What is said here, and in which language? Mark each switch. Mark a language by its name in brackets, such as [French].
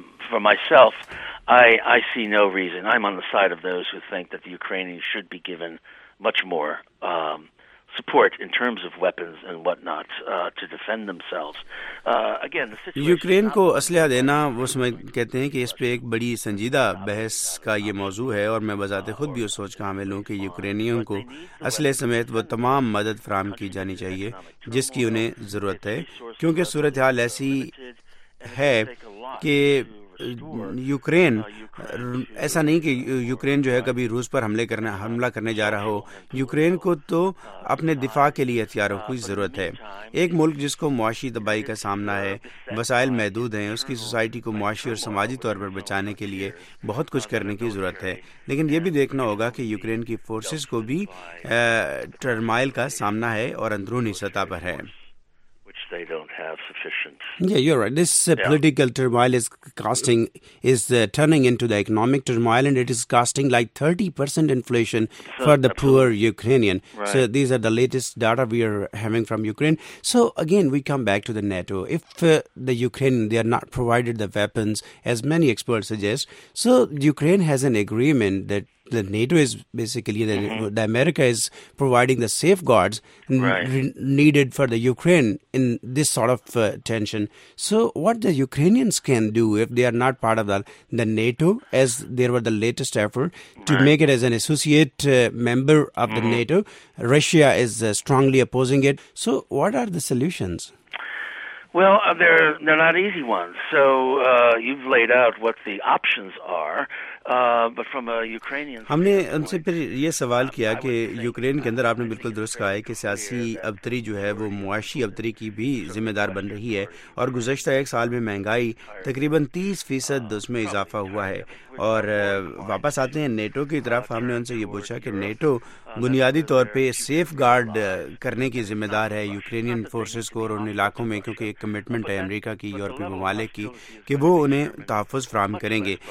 [English] For myself, I see no reason. I'm on the side of those who think that the Ukrainians should be given much more support in terms of weapons and whatnot to defend themselves. Again, the situation. [Urdu] Ukraine کو اسلحہ دینا, وہ سمجھ کہتے ہیں کہ اس پہ ایک بڑی سنجیدہ بحث کا یہ موضوع ہے, اور میں بذات خود بھی اس سوچ کا حامل ہوں کہ یوکرینیوں کو اسلحے سمیت وہ تمام مدد فراہم کی جانی چاہیے جس کی انہیں ضرورت ہے, کیونکہ صورتحال ایسی ہے کہ یوکرین ایسا نہیں کہ یوکرین جو ہے کبھی روس پر حملہ کرنے جا رہا ہو. یوکرین کو تو اپنے دفاع کے لیے ہتھیاروں کی ضرورت ہے. ایک ملک جس کو معاشی تباہی کا سامنا ہے, وسائل محدود ہیں, اس کی سوسائٹی کو معاشی اور سماجی طور پر بچانے کے لیے بہت کچھ کرنے کی ضرورت ہے, لیکن یہ بھی دیکھنا ہوگا کہ یوکرین کی فورسز کو بھی ٹرمائل کا سامنا ہے اور اندرونی سطح پر ہے. [English] They don't have sufficient. Yeah, you're right. This political turmoil is turning into the economic turmoil, and it is costing like 30% inflation for the poor Ukrainian. Right. So these are the latest data we are having from Ukraine. So again, we come back to the NATO. If the Ukraine, they are not provided the weapons, as many experts suggest, so Ukraine has an agreement that the NATO is basically, the America is providing the safeguards needed for the Ukraine in this sort of tension. So what the Ukrainians can do if they are not part of the NATO, as there were the latest effort to make it as an associate member of the NATO, Russia is strongly opposing it. So what are the solutions? Well, they're not easy ones. So you've laid out what the options are. But from a Ukrainian, [Urdu] ہم نے ان سے پھر یہ سوال کیا کہ Ukraine کے اندر آپ نے بالکل درست کہا ہے کہ سیاسی ابتری جو ہے وہ معاشی ابتری کی بھی ذمہ دار بن رہی ہے, اور گزشتہ ایک سال میں مہنگائی تقریباً 30% اس میں اضافہ ہوا ہے. اور واپس آتے ہیں نیٹو کی طرف, ہم نے ان سے یہ پوچھا کہ نیٹو بنیادی طور پہ سیف گارڈ کرنے کی ذمہ دار ہے یوکرینین فورسز کو اور ان علاقوں میں, کیونکہ ایک کمٹمنٹ ہے امریکہ کی, یورپی ممالک کی, کہ وہ انہیں تحفظ فراہم کریں گے.